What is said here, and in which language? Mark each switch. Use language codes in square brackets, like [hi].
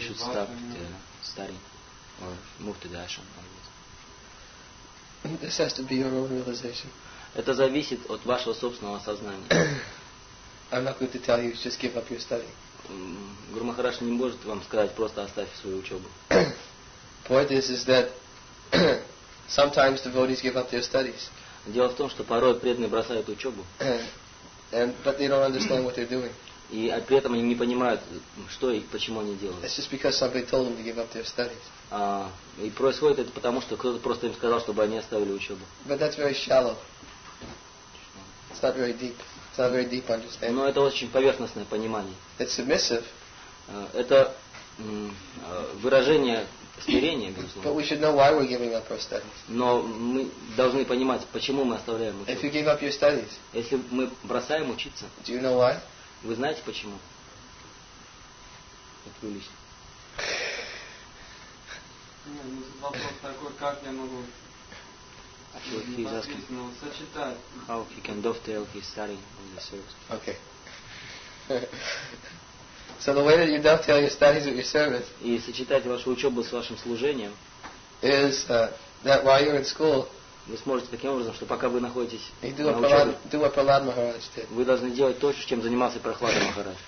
[en] should stop the studying or move to the ashram. This has to be your own realization. [ru] Это зависит от вашего собственного сознания. [en] I'm not going to tell you just give up your study. [ru] Гуру Махарадж не может вам сказать просто оставь свою учебу. [en] Point is that sometimes devotees give up their studies. [ru] Дело в том, что порой преданные бросают учебу. [en] But they don't understand what they're doing. [ru] И при этом они не понимают, что и почему они делают. [en] It's just because somebody told them to give up their studies. [ru] И происходит это потому, что кто-то просто им сказал, чтобы они оставили учебу. [en] But that's very shallow. It's not very deep. It's not very deep understanding. [ru] Но это очень поверхностное понимание. [en] It's submissive. [ru] Это выражение смирения, безусловно. [en] But we should know why we're giving up our studies. [ru] Но мы должны понимать, почему мы оставляем учебу. [en] If you give up your studies, [ru] если мы бросаем учиться, [en] do you know why? [ru] Вы знаете почему? Открылись. Нет, вопрос такой, как я могу непосредственно сочетать. [en] How he can dovetail his study with the service. Okay. So the way that you dovetail your studies with your service. [ru] И сочетать вашу учебу с вашим служением. [en] Is that while you're in school. [ru] Вы сможете таким образом, что пока вы находитесь на учебе, Prahlad, вы должны делать то, чем занимался Прохлада Махарадж.